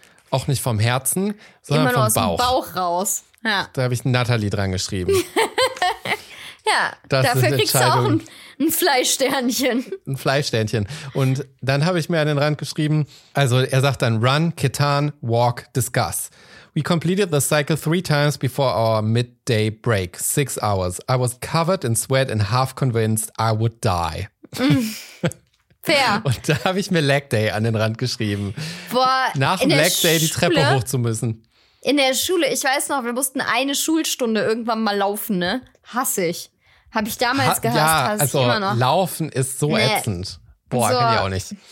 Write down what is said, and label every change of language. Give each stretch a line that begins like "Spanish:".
German: Auch nicht vom Herzen, sondern immer nur vom Bauch. Aus dem Bauch raus. Ja. Da habe ich Nathalie dran geschrieben. Ja, das dafür kriegst du auch ein Fleischsternchen. Ein Fleischsternchen. Und dann habe ich mir an den Rand geschrieben, also er sagt dann,
English: run, ketan, walk, discuss. We completed the cycle 3 times before our midday break. 6 hours. I was covered in sweat and half convinced I would die. Fair.
German: Und da habe ich mir Leg Day an den Rand geschrieben. Boah, nach dem Leg Day die Treppe hoch zu müssen. In der Schule, ich weiß noch, wir mussten eine Schulstunde irgendwann mal laufen, ne? Hasse ich. Habe ich damals gehasst, ja, hasse also ich immer noch. Laufen ist so ätzend. Boah, so. Kann ich auch nicht.